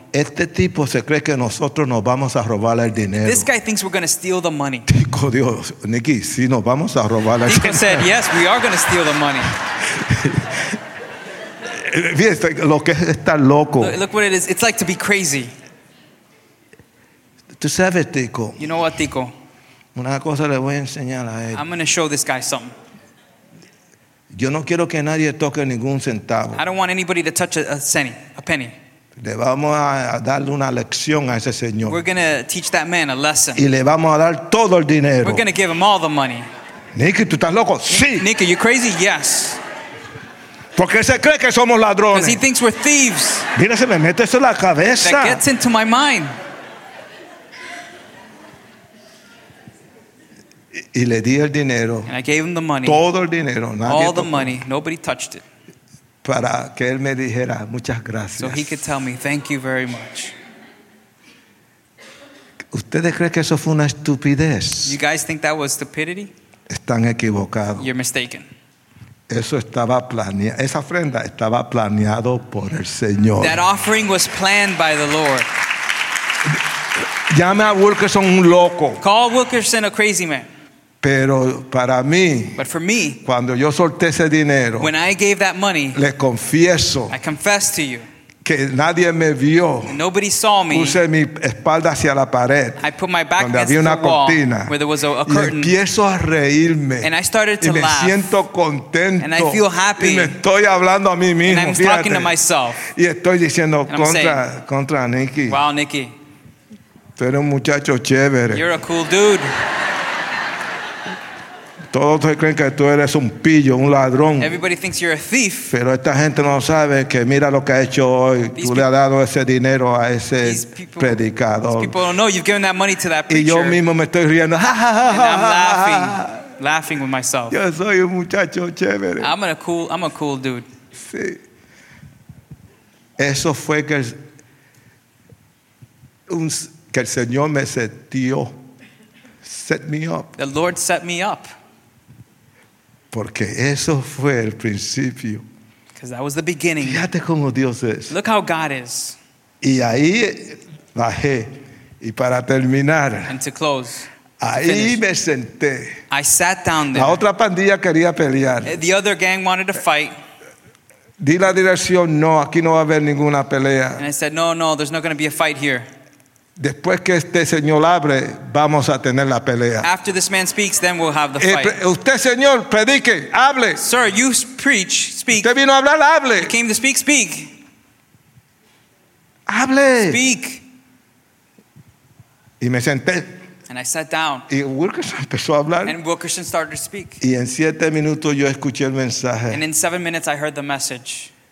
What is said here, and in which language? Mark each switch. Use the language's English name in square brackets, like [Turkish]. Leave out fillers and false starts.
[Spanish] este tipo se cree que nosotros nos vamos a robar el dinero. [English] This guy thinks we're going to steal the money. [Spanish] Tico, Dios, Nicky, sí, nos vamos a robar el dinero. [English] Said, yes, we are going to steal the money. [Spanish] Fíjate, lo que es estar loco. [English] Look what it is. It's like to be crazy. [Spanish] Tú sabes, Tico. [English] You know what, Tico? [Spanish] Una cosa le voy a enseñar a él. [English] I'm going to show this guy something. [Spanish] Yo no quiero que nadie toque ningún centavo. [English] I don't want anybody to touch a penny, a penny. [Spanish] Le vamos a darle una lección a ese señor. [English] We're going to teach that man a lesson. [Spanish] Y le vamos a dar todo el dinero. [English] We're going to give him all the money. [Spanish] Nicky, ¿tú estás loco? Sí. [English] Nicky, you crazy? Yes. [Spanish] Porque se cree que somos ladrones. [English] Because he thinks we're thieves. [Spanish] Mira, se me mete eso en la cabeza. [English] That gets into my mind. [Spanish] Y le di el dinero. [English] And I gave him the money. [Spanish] Todo el dinero. Nadie [English] all the [Spanish] tocó. [English] Money. Nobody touched it. [Spanish] Para que él me dijera muchas gracias. [English] So he could tell me thank you very much. [Spanish] ¿Ustedes creen que eso fue una estupidez? [English] You guys think that was stupidity? [Spanish] Están equivocados. [English] You're mistaken. [Spanish] Eso estaba planeado. Esa ofrenda estaba planeado por el Señor. [English] That offering was planned by the Lord. [Spanish] Llame a Wilkerson un loco. [English] Call Wilkerson a crazy man. [Spanish] Pero para mí, [English] but for me, [Spanish] cuando yo solté ese dinero, [English] when I gave that money, [Spanish] le confieso, [English] I confess to you, [Spanish] que nadie me vio. [English] Nobody saw me. [Spanish] Puse mi espalda hacia la pared. [English] I put my back [Spanish] donde había una [English] the wall, [Spanish] cortina. [English] Where there was a curtain, [Spanish] y empiezo a reírme. [English] And I started to [Spanish] y me [English] laugh, [Spanish] siento contento. [English] And I feel happy, [Spanish] y me estoy hablando a mí mismo. [English] And I'm talking to myself, [Spanish] y estoy diciendo contra Nicky. [English] Wow, Nicky. [Spanish] Tú eres un muchacho chévere. [English] You're a cool dude. [Spanish] Todos creen que tú eres un pillo, un ladrón. [English] Everybody thinks you're a thief. [Spanish] Pero esta gente no sabe que mira lo que ha hecho hoy. [English] These [Spanish] tú le has dado ese dinero a ese predicador. [English] These people don't know you've given that money to that preacher. [Spanish] Y yo mismo me estoy riendo. [English] And I'm laughing with myself. [Spanish] Yo soy un muchacho chévere. [English] I'm a cool dude. [Spanish] Sí. Eso fue que el Señor me setió. [English] Set me up. The Lord set me up. [Spanish] Porque eso fue el principio. [English] Because that was the beginning. [Spanish] Fíjate cómo Dios es. [English] Look how God is. [Spanish] Y ahí bajé. Y para terminar. [English] And to close. [Spanish] Ahí me senté. [English] I sat down there. [Spanish] La otra pandilla quería pelear. [English] The other gang wanted to fight. [Spanish] Di la dirección, no, aquí no va a haber ninguna pelea. [English] And I said, no, there's not going to be a fight here. [Spanish] Después que este señor abre, vamos a tener la pelea. [English] After this man speaks, then we'll have the fight. [Spanish] Usted, señor, predique, hable. [English] Sir, you preach, speak. [Spanish] Usted vino a hablar, hable. [English] You came to speak, speak. [Spanish] Hable. [English] Speak. [Spanish] Y me senté. [English] And I sat down. [Spanish] Y Wilkerson empezó a hablar. [English] And Wilkerson started to speak. [Spanish] Y en 7 minutos yo escuché el mensaje. [English] And in 7 minutes I heard the message.